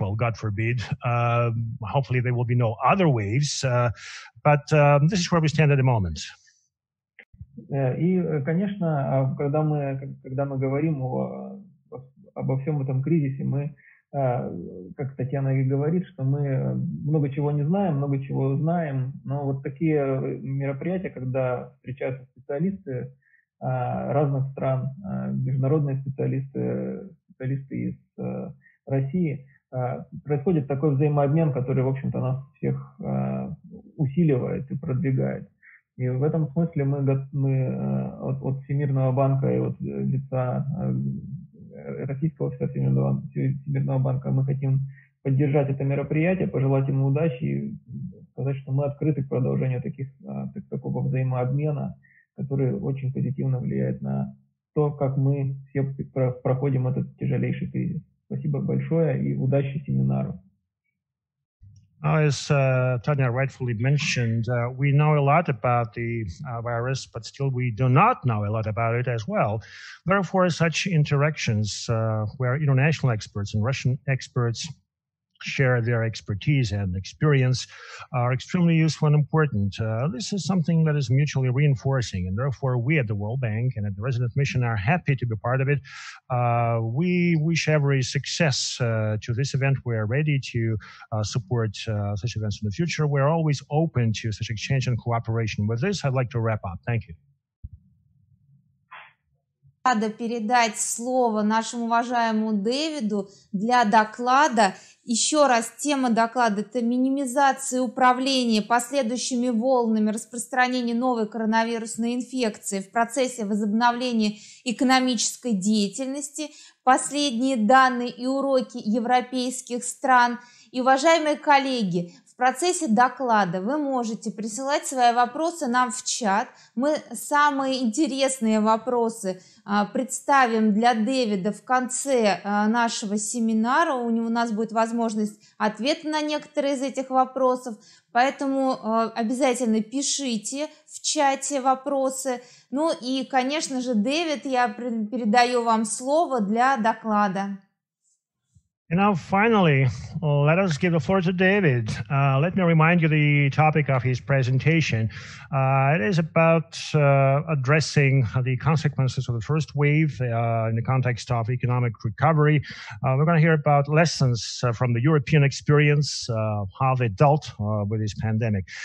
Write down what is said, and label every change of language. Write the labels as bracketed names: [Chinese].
[English] Well, God forbid, hopefully there will be no other waves, but this is where we stand at the moment. [Russian] И, конечно, когда мы говорим обо всем этом кризисе, мы, как Татьяна и говорит, что мы много чего не знаем, много чего знаем, но вот такие мероприятия, когда встречаются специалисты разных стран, международные специалисты из России, происходит такой взаимообмен, который, в общем-то, нас всех усиливает и продвигает. И в этом смысле мы от Всемирного банка и от лица Российского Всемирного банка мы хотим поддержать это мероприятие, пожелать ему удачи и сказать, что мы открыты к продолжению такого взаимообмена, который очень позитивно влияет на то, как мы все проходим этот тяжелейший кризис. Спасибо большое и удачи семинару. [English] As Tanya rightfully mentioned, we know a lot about the virus, but still we do not know a lot about it as well. Therefore, such interactions where international experts and Russian experts share their expertise and experience are extremely useful and important. This is something that is mutually reinforcing, and therefore we at the World Bank and at the Resident Mission are happy to be part of it. We wish every success to this event. We are ready to support such events in the future. We are always open to such exchange and cooperation. With this, I'd like to wrap up. Thank you. [Russian] Рада передать слово нашему уважаемому Дэвиду для доклада. Еще раз, тема доклада – это минимизация управления последующими волнами распространения новой коронавирусной инфекции в процессе возобновления экономической деятельности, последние данные и уроки европейских стран. И, уважаемые коллеги, в процессе доклада вы можете присылать свои вопросы нам в чат. Мы самые интересные вопросы представим для Дэвида в конце нашего семинара. У него у нас будет возможность ответа на некоторые из этих вопросов. Поэтому обязательно пишите в чате вопросы. Ну и, конечно же, Дэвид, я передаю вам слово для доклада. [English] And now, finally, let us give the floor to David. Let me remind you the topic of his presentation. It is about addressing the consequences of the first wave in the context of economic recovery. We're going to hear about lessons from the European experience, how they dealt with this pandemic.